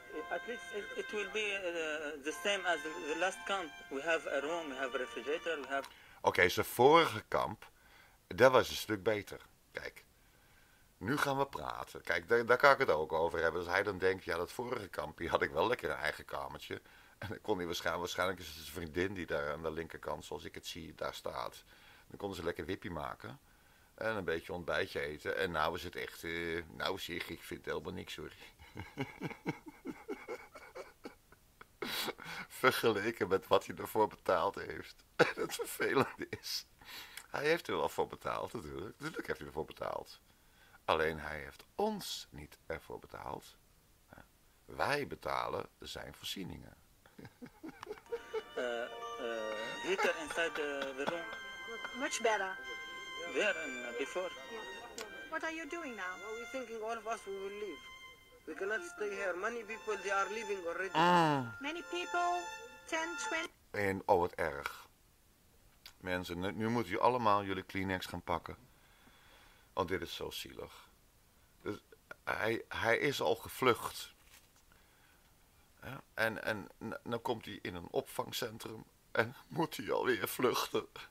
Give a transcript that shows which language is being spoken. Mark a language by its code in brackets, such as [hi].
[en] At least it will be the same as the last camp. We have a room, we have a refrigerator, we have... [nl] Okay, zijn vorige kamp, dat was een stuk beter. Kijk, nu gaan we praten. Kijk, daar kan ik het ook over hebben. Dus hij dan denkt, ja, dat vorige kampje had ik wel lekker een eigen kamertje. En dan kon hij waarschijnlijk is het zijn vriendin die daar aan de linkerkant, zoals ik het zie, daar staat. Dan konden ze lekker wippie maken. En een beetje ontbijtje eten. En nou is het echt... nou zeg, ik vind het helemaal niks, sorry. Vergeleken met wat hij ervoor betaald heeft. En het vervelende is... Hij heeft er wel voor betaald, natuurlijk. Natuurlijk heeft hij ervoor betaald. Alleen hij heeft ons niet ervoor betaald. Wij betalen zijn voorzieningen. [en] Heater inside the room. Much better. There than before. What are you doing now? Well, we're thinking all of us we will leave. We cannot stay here. Many people they are leaving already. Many people, 10, 20. [nl] En oh, wat erg. Mensen, nu moeten jullie allemaal jullie Kleenex gaan pakken. Want dit is zo zielig. Dus hij is al gevlucht. En dan komt hij in een opvangcentrum en moet hij alweer vluchten.